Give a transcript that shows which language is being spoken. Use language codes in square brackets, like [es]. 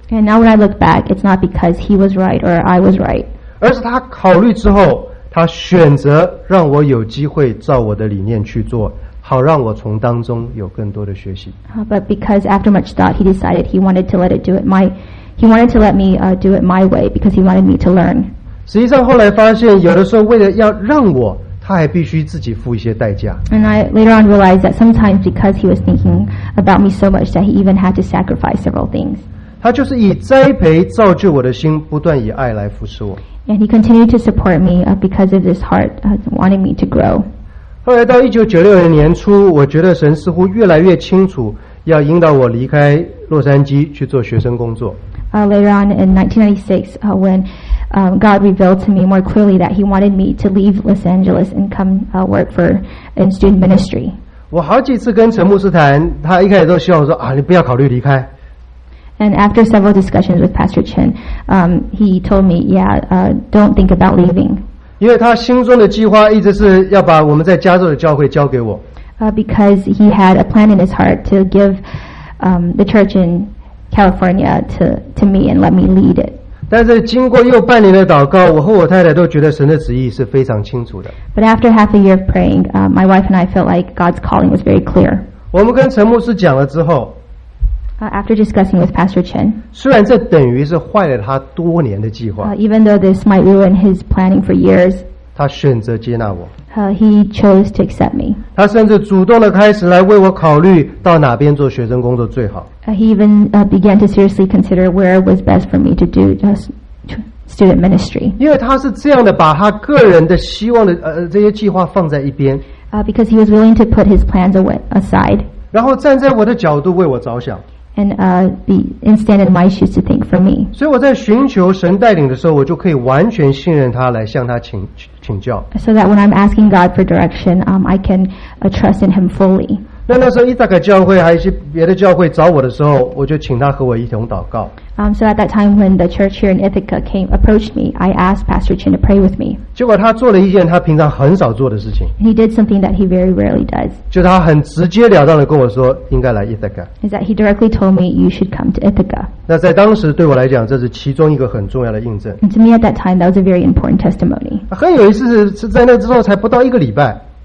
[en] And now when I look back, it's not because he was right or I was right. [zh] 而是他考虑之后，他选择让我有机会照我的理念去做，好让我从当中有更多的学习。 [en] But because after much thought, he decided he wanted to let it do it my He wanted to let me do it my way because he wanted me to learn. [zh] 实际上后来发现，有的时候为了要让我，他还必须自己付一些代价。 [en] And I later on realized that sometimes because he was thinking about me so much that he even had to sacrifice several things. [zh] 他就是以栽培造就我的心，不断以爱来服侍我。 [en] And he continued to support me because of this heart wanting me to grow. [zh] 后来到1996年初，我觉得神似乎越来越清楚，要引导我离开洛杉矶去做学生工作。 [en] Later on in 1996, when God revealed to me more clearly that he wanted me to leave Los Angeles and come work for in student ministry. [zh] 我好几次跟陈牧师谈，他一开始都希望我说啊，你不要考虑离开。 [en] And after several discussions with Pastor Chen, he told me, yeah, don't think about leaving. [zh] 因为他心中的计划一直是要把我们在加州的教会交给我。 [en] Because he had a plan in his heart to give the church in California to me and let me lead it. [zh] 但是经过又半年的祷告，我和我太太都觉得神的旨意是非常清楚的。 [en] But after half a year of praying, my wife and I felt like God's calling was very clear. [zh] 我们跟陈牧师讲了之后， [en] After discussing with Pastor Chen, [zh] 虽然这等于是坏了他多年的计划， [en] even though this might ruin his planning for years, [zh] 他选择接纳我。 [en] He chose to accept me. [zh] 他甚至主动的开始来为我考虑到哪边做学生工作最好。 [en] He even began to seriously consider where was best for me to do just student ministry. [zh] 因为他是这样的，把他个人的希望的这些计划放在一边。 [en] Because he was willing to put his plans aside. [zh] 然后站在我的角度为我着想。 [en] And be in stand in my shoes to think for me. [zh] 所以我在寻求神带领的时候，我就可以完全信任他，来向他请教。 [en] So that when I'm asking God for direction, I can trust in Him fully. [zh] 那时候伊萨克教会还有一些别的教会找我的时候，我就请他和我一同祷告。 [en] So at that time when the church here in Ithaca approached me, I asked Pastor Chen to pray with me. [zh] 结果他做了一件他平常很少做的事情。 [en] He did something that he very rarely does. [zh] 就他很直截了当的跟我说，应该来 Ithaca. [en] Is that he directly told me you should come to Ithaca. [zh] 那在当时对我来讲，这是其中一个很重要的印证。 [en] And to me at that time, that was a very important testimony. [zh] 很有意思，是在那之后才不到一个礼拜。